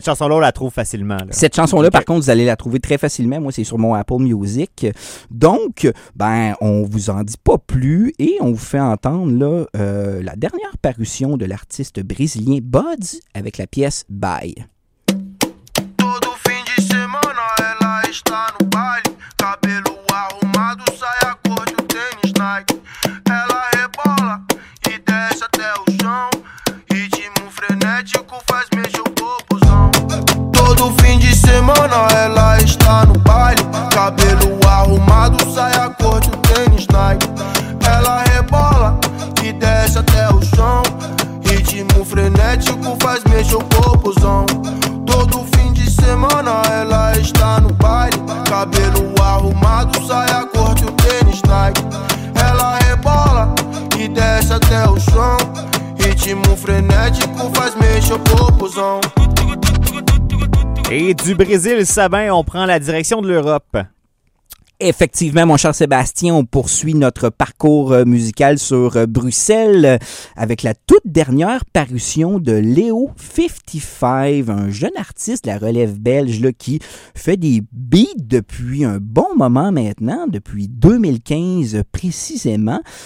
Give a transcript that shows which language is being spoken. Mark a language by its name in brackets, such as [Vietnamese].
[French] Cette chanson-là, on la trouve facilement. Là. Cette chanson-là, par contre, vous allez la trouver très facilement. Moi, c'est sur mon Apple Music. Donc, on vous en dit pas plus et on vous fait entendre là la dernière parution de l'artiste brésilien Buds, avec la pièce Bye. [Portuguese] Todo fim de semana ela está no baile, cabelo arrumado, saia cor de tênis Nike. Ela rebola e desce até o chão, ritmo frenético faz mexer o popozão. Todo fim de semana ela está no baile, cabelo arrumado, saia cor de tênis Nike. Ela rebola e desce até o chão, ritmo frenético faz mexer o corpozão. Todo fim de semana ela está no baile, cabelo arrumado, saia curta e o tênis Nike. Ela rebola e desce até o chão, ritmo frenético faz mexer o corpozão. [French] Et du Brésil, Sabin, on prend la direction de l'Europe. Effectivement, mon cher Sébastien, on poursuit notre parcours musical sur Bruxelles avec la toute dernière parution de Léo 55, un jeune artiste de la relève belge là, qui fait des beats depuis un bon moment maintenant, depuis 2015 précisément,